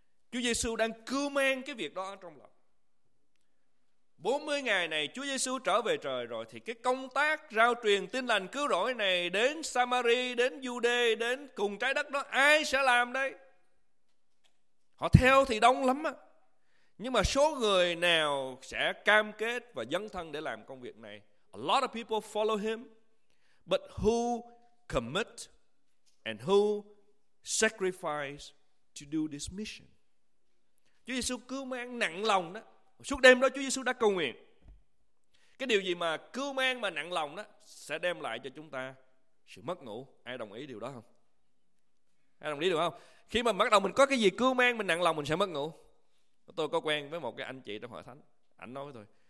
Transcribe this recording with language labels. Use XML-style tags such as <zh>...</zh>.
<vi>Chúa Giêsu đang cưu mang cái việc đó trong lòng. 40 ngày này Chúa Giêsu trở về trời rồi thì cái công tác rao truyền tin lành cứu rỗi này đến Samari, đến Giu-đê, đến cùng trái đất đó ai sẽ làm đây? Họ theo thì đông lắm á. Nhưng mà số người nào sẽ cam kết và dấn thân để làm công việc này?</vi> <en>A lot of people follow him. But who commit and who sacrifice to do this mission?</en> <vi>Chúa Giêsu cứu mang nặng lòng đó. Suốt đêm đó Chúa Giêsu đã cầu nguyện. Cái điều gì mà cứu mang mà nặng lòng đó sẽ đem lại cho chúng ta sự mất ngủ. Ai đồng ý điều đó không? Ai đồng ý được không? Khi mà bắt đầu mình có cái gì cứu mang, mình nặng lòng, mình sẽ mất ngủ. Tôi có quen với một cái anh chị trong hội thánh. Anh nói với tôi,</vi>